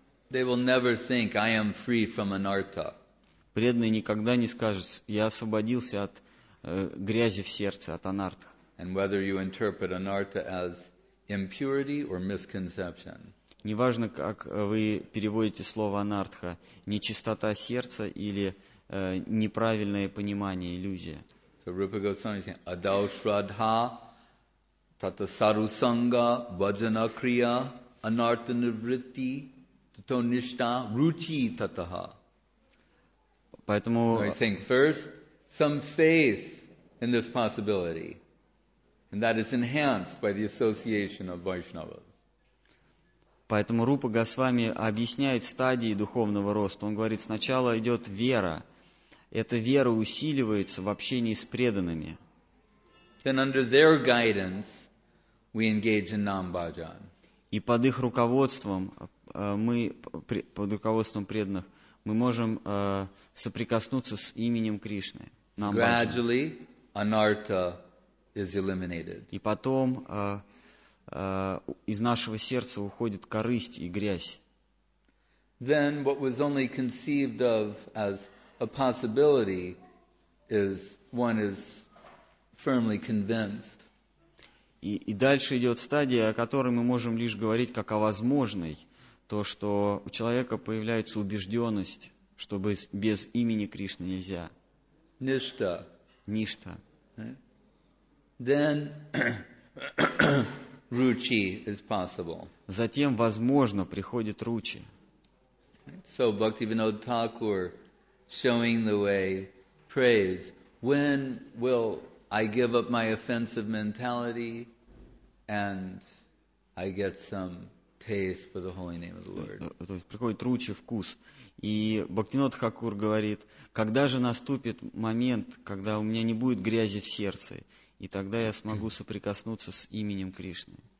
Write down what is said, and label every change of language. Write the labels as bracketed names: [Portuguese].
[English] They will never think I am free from anartha. [Russian] Преданный никогда не скажет, я освободился от грязи в сердце, от анартх. [English] And whether you interpret anartha as impurity or misconception. [Russian] Неважно, как вы переводите слово анартха, нечистота сердца или неправильное понимание, иллюзия. [English] So Rupa Goswami says, [Sanskrit] adau shraddha, tata sarusanga, vajana kriya, anartha nivritti. То ништа ручи татаха. [Russian] Поэтому. [English] I think first some faith in this possibility, and that is enhanced by the association of Vaishnavas. [Russian] Поэтому Рупа Госвами объясняет стадии духовного роста. Он говорит, сначала идет вера. Эта вера усиливается в общении с преданными. [English] Then under their guidance, we engage in nambhajan. [Russian] И под их руководством. Мы под руководством преданных мы можем соприкоснуться с именем Кришны. [English] Gradually, anartha is eliminated. [Russian] И потом из нашего сердца уходит корысть и грязь. [English] Then what was only conceived of as a possibility is one is firmly convinced. [Russian] И дальше идет стадия, о которой мы можем лишь говорить как о возможной. То, что у человека появляется убежденность, что без имени Кришны нельзя. [Sanskrit] Ништа. Ништа. [English] Then ручи is possible. [Russian] Затем, возможно, приходит ручи. [English] So Bhakti Vinod Thakur, showing the way, prays, when will I give up my offensive mentality and I get some taste for the holy name of the Lord. [Russian] То есть приходит ручий вкус. И Бхактинот Хакур говорит, когда же наступит момент, когда у меня не будет грязи в сердце, и тогда я смогу соприкоснуться с именем Кришны.